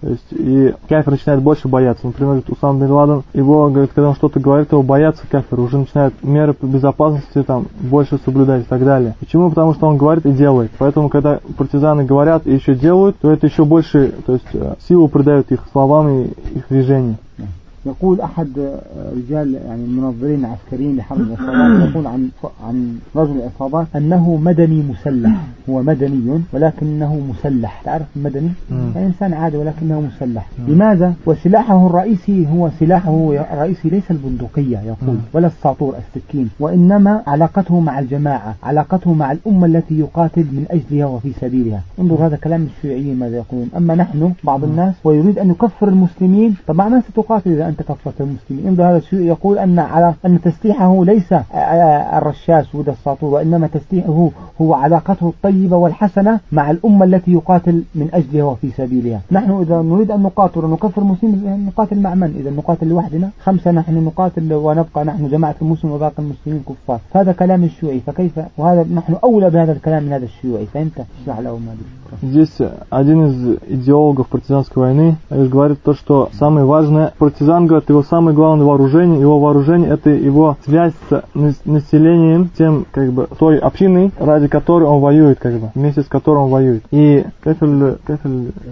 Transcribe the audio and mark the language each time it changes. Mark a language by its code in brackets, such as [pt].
[ru] То есть и кафир начинает больше бояться. Например, Усама бен Ладен, его, говорит, когда он что-то говорит, его боятся кафиры, уже начинают меры по безопасности там больше соблюдать и так далее. Почему? Потому что он говорит и делает. Поэтому, когда партизаны говорят и еще делают, то это еще больше, то есть силу придают их словам и их движению. [ar] يقول احد رجال يعني المنظرين العسكريين لحرب العصابات يقول عن رجل العصابات انه مدني مسلح، هو مدني ولكنه مسلح، تعرف المدني انسان عادي ولكنه مسلح. لماذا؟ وسلاحه الرئيسي هو سلاحه الرئيسي ليس البندقيه يقول ولا الساطور السكين، وانما علاقته مع الجماعه، علاقته مع الامه التي يقاتل من اجلها وفي سبيلها. انظر هذا كلام الشيوعيين ماذا يقولون. اما نحن بعض الناس ويريد ان يكفر المسلمين، طبعا ما ستقاتل أنت كفرت المسلمين. إن هذا الشيء يقول أن على أن تسليحه ليس الرشاش ود الساطور، وإنما تسليحه هو علاقته الطيبة والحسنة مع الأمة التي يقاتل من أجلها وفي سبيلها. نحن إذا نريد أن نقاتل ونكفر المسلمين نقاتل مع من؟ إذا نقاتل لوحدنا 5 نحن نقاتل ونبقى نحن جماعة المسلمين وباقي المسلمين كفار. هذا كلام الشيوعي، فكيف وهذا نحن أولى بهذا الكلام من هذا الشيوعي، فأنت اشرح له ما بيك. [ru] Здесь один из идеологов партизанской войны говорит то, что самое важное, партизан, говорит, его самое главное вооружение, его вооружение это его связь с населением, тем, как бы, той общиной, ради которой он воюет, как бы, вместе с которой он воюет. И кафель, кафель,